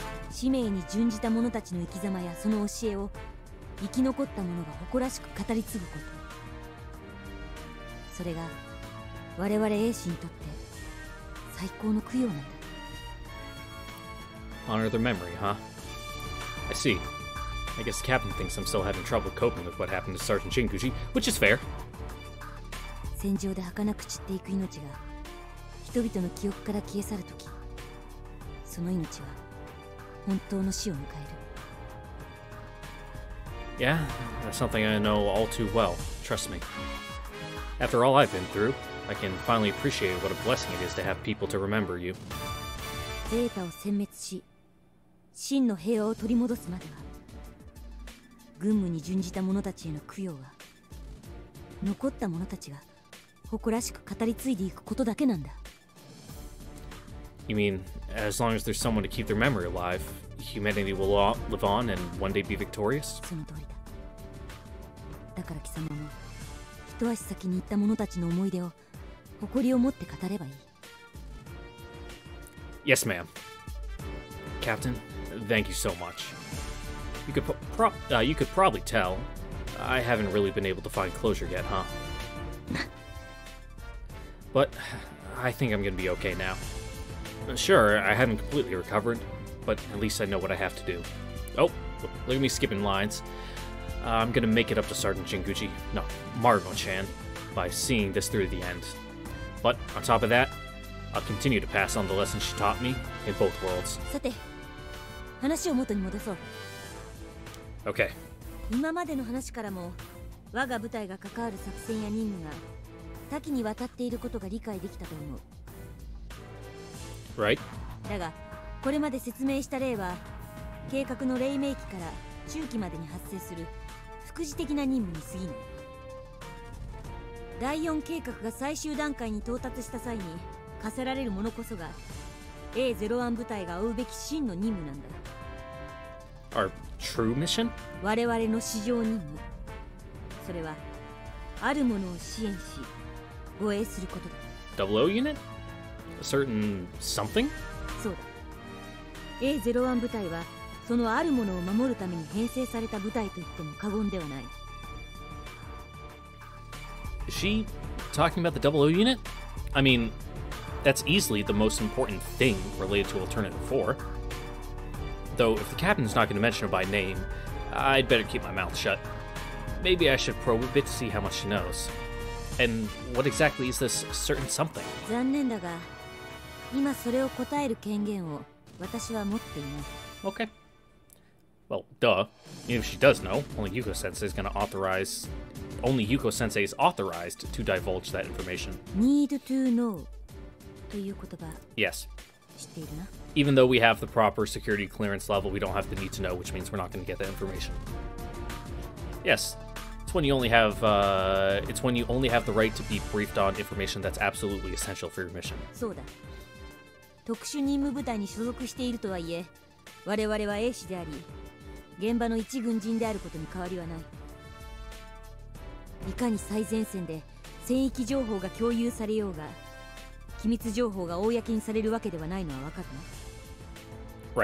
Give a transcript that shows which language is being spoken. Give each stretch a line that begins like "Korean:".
Japanese: 使命に準じた者たちの生き様やその教えを生き残った者が誇らしく語り継ぐこと。それが我々英氏にとって最高の供養なんだ。
English: Honor their memory, huh? I see. I guess the captain thinks I'm still having trouble coping with what happened to Sergeant Jinkuchi, which is fair.
Japanese: 戦場で儚く散っていく命が人々の記憶から消え去るとき、その命は本当の死を迎える。
English: Yeah, that's something I know all too well, trust me. After all I've been through, I can finally appreciate what a blessing it is to have people to remember you.
Japanese: ゼータを殲滅し、真の平和を取り戻すまでは、軍務に準じた者たちへの供養は、残った者たちが誇らしく語り継いでいくことだけなんだ。
English: You mean, as long as there's someone to keep their memory alive, humanity will all live on and one day be victorious?
Japanese: その通りだ。だから貴様も、一足先に行った者たちの思い出を誇りを持って語ればいい。
English: Yes, ma'am. Captain, thank you so much. You could probably tell. I haven't really been able to find closure yet, huh? But I think I'm gonna be okay now. Sure, I haven't completely recovered, but at least I know what I have to do. Oh, look at me skipping lines. I'm gonna make it up to Sergeant Jinguchi, no, Margo-chan, by seeing this through to the end. But on top of that, I'll continue to pass on the lessons she taught me in both worlds.
Japanese: さて、話を元に戻そう。
English: Okay.
Japanese: 今までの話からも、我が部隊が関わる作戦や任務が多岐にわたっていることが理解できたと思う。
English: Right.
Japanese: だが、これまで説明した例は、計画の黎明期から中期までに発生する副次的な任務に過ぎない。第4計画が最終段階に到達した際に課せられるものこそが A01 部隊が追うべき真の任務なんだ。
English: Our true mission?
Japanese: 我々の至上任務、それはあるものを支援し護衛することだ。
English: 00 unit? A certain something?
Japanese: そうだ。 A01 部隊はそのあるものを守るために編成された部隊といっても過言ではない。
English: Is she talking about the 00 unit? I mean, that's easily the most important thing related to Alternative 4. Though, if the captain's not going to mention her by name, I'd better keep my mouth shut. Maybe I should probe a bit to see how much she knows. And what exactly is this certain something?
Japanese: 残念だが、今それを答える権限を私は持っていない。
English: Okay. Well, duh. Even if she does know, only Yuko-sensei is going to authorize... Only Yuko-sensei is authorized to divulge that information. Need to know
Japanese: という言葉。
English: Yes.
Japanese: 知っているな。
English: Even though we have the proper security clearance level, we don't have the need to know, which means we're not going to get that information. Yes. It's when you only have the right to be briefed on information that's absolutely essential for your mission.
Japanese: そうだ。特殊任務部隊に所属しているとはいえ、我々は A 氏であり、現場の一軍人であることに変わりはない。いかに最前線で戦域情報が共有されようが、機密情報が公にされるわけではないのは分かるな。